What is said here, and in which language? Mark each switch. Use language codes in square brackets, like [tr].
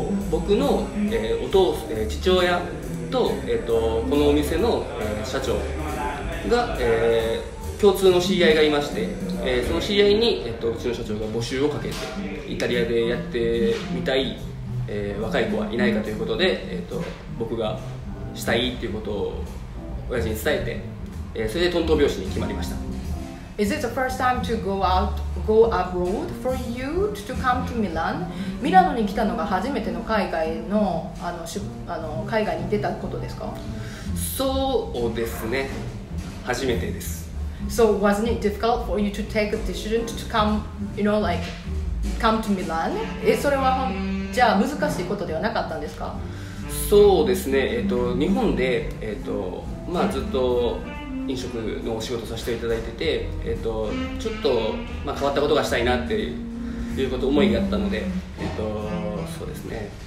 [ja] 僕の、父親と、このお店の、社長が、共通の知り合いがいまして、その知り合いに、うちの社長が募集をかけてイタリアでやってみたい、若い子はいないかということで、僕がしたいということを親父に伝えて、それでトントン拍子に決まりました。 [en] Is it the first time to go abroad for you to come to Milan? [ja] ミラノに来たのが初めての海外の、海外に出たことですか？そうですね、初めてです。 [en] So wasn't it difficult for you to take a decision to come, you know, like come to Milan? [ja] それはじゃあ難しいことではなかったんですか？そうですね。日本で、まあずっと飲食のお仕事させていただいてて、ちょっと、まあ、変わったことがしたいなっていうこと思いがあったので、そうですね。